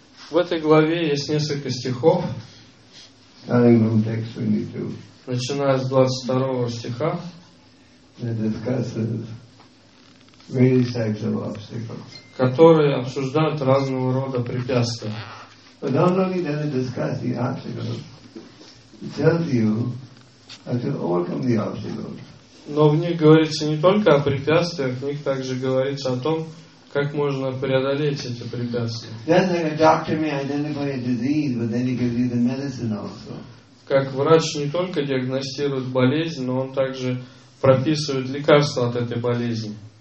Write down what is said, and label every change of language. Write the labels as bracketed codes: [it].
[ru] В этой главе есть несколько стихов. [en] Starting from text 22. [ru] Начиная с 22 стиха. [en] That discusses various types of obstacles. [ru] Которые обсуждают разного рода препятствия. [en] But not only does it discuss the obstacles, it tells you how to overcome the obstacles. [ru] Но в них говорится не только о препятствиях, в них также говорится о том, как можно преодолеть эти препятствия. Как врач не только диагностирует болезнь, но он также прописывает лекарства от этой болезни.